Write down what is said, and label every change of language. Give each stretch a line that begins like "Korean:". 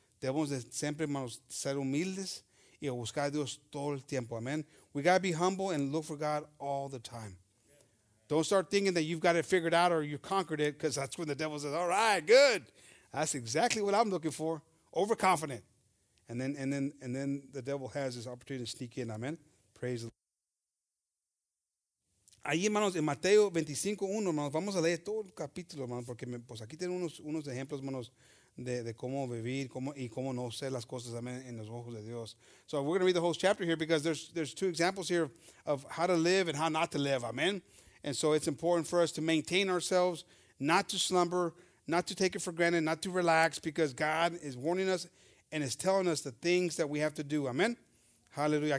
Spanish: Debemos de siempre, hermanos, ser humildes y buscar a Dios todo el tiempo. Amen.
English: We got to be humble and look for God all the time. Don't start thinking that you've got it figured out or you conquered it, because that's when the devil says, all right, good. That's exactly what I'm looking for. Overconfident. And then the devil has this opportunity to sneak in. Amen. Praise the Lord.
Spanish: Ahí, hermanos, en Mateo 25:1, hermanos, vamos a leer todo el capítulo, hermanos, porque pues aquí tienen unos ejemplos, hermanos, de cómo vivir y cómo no hacer las cosas, amen, en los ojos de Dios.
English: So we're going to read the whole chapter here because there's two examples here of how to live and how not to live, amen. And so it's important for us to maintain ourselves, not to slumber, not to take it for granted, not to relax, because God is warning us and is telling us the things that we have to do, amen. Hallelujah.